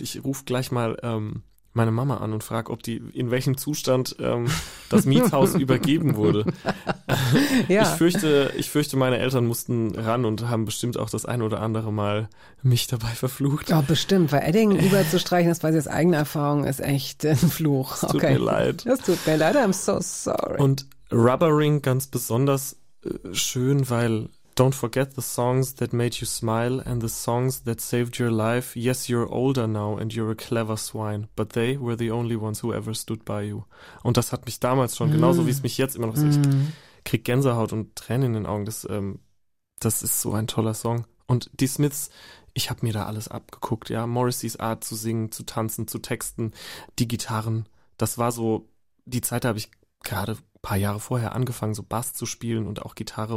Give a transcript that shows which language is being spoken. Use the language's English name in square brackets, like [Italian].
[German] Ich rufe gleich mal meine Mama an und frage, ob die in welchem Zustand das Mietshaus übergeben wurde. Ja. Ich fürchte, meine Eltern mussten ran und haben bestimmt auch das ein oder andere Mal mich dabei verflucht. Ja, bestimmt. Weil Edding überzustreichen, das weiß ich aus eigener Erfahrung, ist echt ein Fluch. Es tut mir leid. Das tut mir leid. [English] I'm so sorry. [German] Und Rubbering ganz besonders schön, weil [English] don't forget the songs that made you smile and the songs that saved your life. Yes, you're older now and you're a clever swine, but they were the only ones who ever stood by you. [German] Und das hat mich damals schon, genauso wie es mich jetzt immer noch ist. Ich krieg Gänsehaut und Tränen in den Augen. Das ist so ein toller Song. Und die Smiths, ich habe mir da alles abgeguckt. Ja, Morrisseys Art zu singen, zu tanzen, zu texten, die Gitarren. Das war so, die Zeit habe ich gerade ein paar Jahre vorher angefangen, so Bass zu spielen und auch Gitarre.